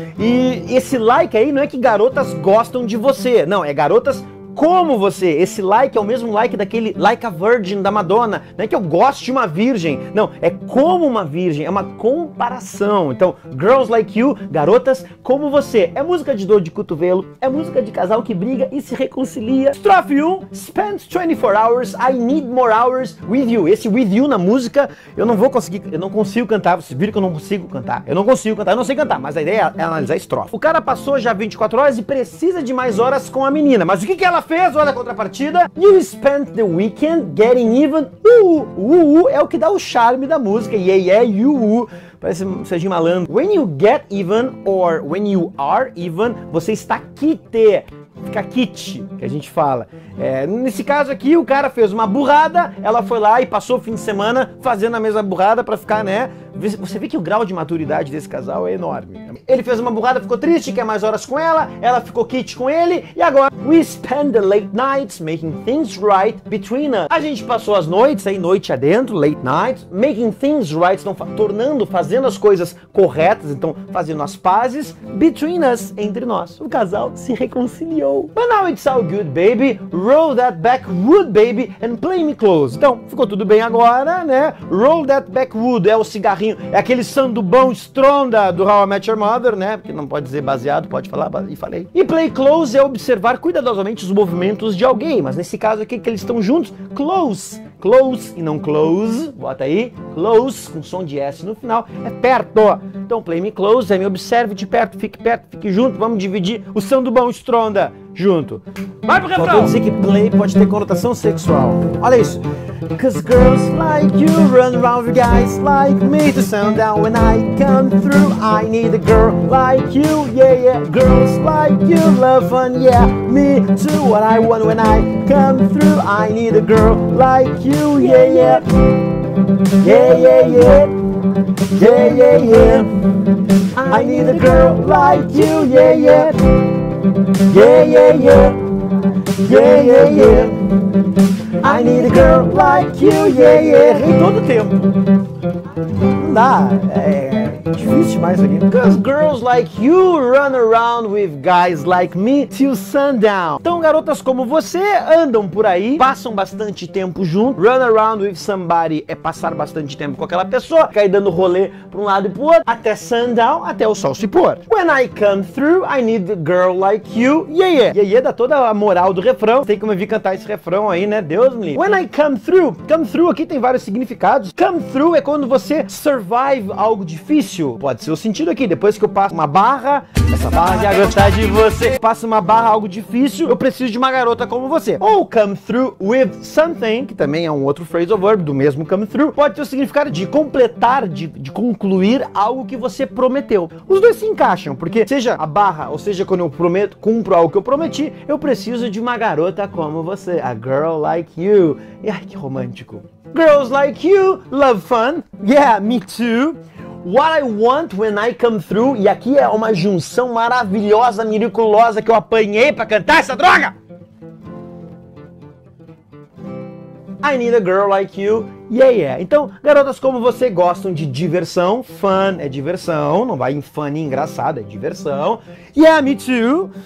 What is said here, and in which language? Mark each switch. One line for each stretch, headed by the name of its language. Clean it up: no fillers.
Portuguese: E esse like aí não é que garotas gostam de você, não, é garotas como você. Esse like é o mesmo like daquele Like a Virgin da Madonna. Não é que eu gosto de uma virgem, não, é como uma virgem, é uma comparação. Então, Girls Like You, garotas como você. É música de dor de cotovelo, é música de casal que briga e se reconcilia.
English: Estrofe 1, spend 24 hours, I need more hours with you.
Portuguese: Esse with you na música, eu não consigo cantar, vocês viram que eu não consigo cantar, eu não sei cantar, mas a ideia é analisar a estrofe. O cara passou já 24 horas e precisa de mais horas com a menina, mas o que que ela fez, olha a contrapartida.
English: You spent the weekend getting even.
Portuguese: É o que dá o charme da música.
English: Yeah, yeah, you.
Portuguese: Parece um Serginho Malandro.
English: When you get even or when you are even,
Portuguese: você está quite. Fica quite, que a gente fala. É, nesse caso aqui, o cara fez uma burrada, ela foi lá e passou o fim de semana fazendo a mesma burrada pra ficar, né? Você vê que o grau de maturidade desse casal é enorme. Ele fez uma burrada, ficou triste, quer mais horas com ela, ela ficou quite com ele, e agora...
English: We spend the late nights making things right between us.
Portuguese: A gente passou as noites aí, noite adentro, late nights, making things right, então, fazendo as coisas corretas, então fazendo as pazes, between us, entre nós. O casal se reconciliou.
English: But now it's all good, baby. Roll that backwood, baby, and play me close.
Portuguese: Então, ficou tudo bem agora, né? Roll that backwood é o cigarrinho, é aquele sandubão estronda do How I Met Your Mother, né? Porque não pode dizer baseado, pode falar, e falei. E play close é observar cuidadosamente os movimentos de alguém, mas nesse caso aqui que eles estão juntos, close. Close e não close, bota aí, close, com som de S no final, é perto, ó. Então play me close, aí me observe de perto, fique junto, vamos dividir o sandubão estronda. Junto. Vai pro refrão! Pode dizer que play pode ter conotação sexual. Olha isso.
English: Cause girls like you run around with guys like me to sound down when I come through. I need a girl like you, yeah, yeah. Girls like you love fun, yeah. Me too, what I want when I come through. I need a girl like you, yeah, yeah. Yeah, yeah, yeah. Yeah, yeah, yeah. I need a girl like you, yeah, yeah. Yeah, yeah, yeah. Yeah, yeah, yeah. I need a girl like you, yeah, yeah.
Portuguese: Em todo tempo. Não dá, é difícil demais aqui.
English: Cause girls like you run around with guys like me till sundown.
Portuguese: Então garotas como você andam por aí, passam bastante tempo junto.
English: Run around with somebody
Portuguese: é passar bastante tempo com aquela pessoa, cair dando rolê pra um lado e pro outro, até sundown, até o sol se pôr.
English: When I come through, I need a girl like you, yeah yeah.
Portuguese: Yeah yeah dá toda a moral do refrão, tem como eu vir cantar esse refrão aí, né? Deus me livre.
English: When I come through
Portuguese: aqui tem vários significados. Come through é quando você survive algo difícil. Pode ser o sentido aqui. Depois que eu passo uma barra, essa barra já gostar de você. Passo uma barra, algo difícil, eu preciso de uma garota como você. Ou come through with something, que também é um outro phrasal verb do mesmo come through, pode ter o significado de completar, de concluir algo que você prometeu. Os dois se encaixam, porque seja a barra, ou seja quando eu prometo, cumpro algo que eu prometi, eu preciso de uma garota como você.
English: A girl like you.
Portuguese: E ai, que romântico.
English: Girls like you love fun. Yeah, me too. What I want when I come through.
Portuguese: E aqui é uma junção maravilhosa, miraculosa que eu apanhei pra cantar essa droga.
English: I need a girl like you. Yeah, yeah.
Portuguese: Então, garotas como você gostam de diversão. Fun é diversão. Não vai em fun e engraçado, é diversão.
English: Yeah, me too.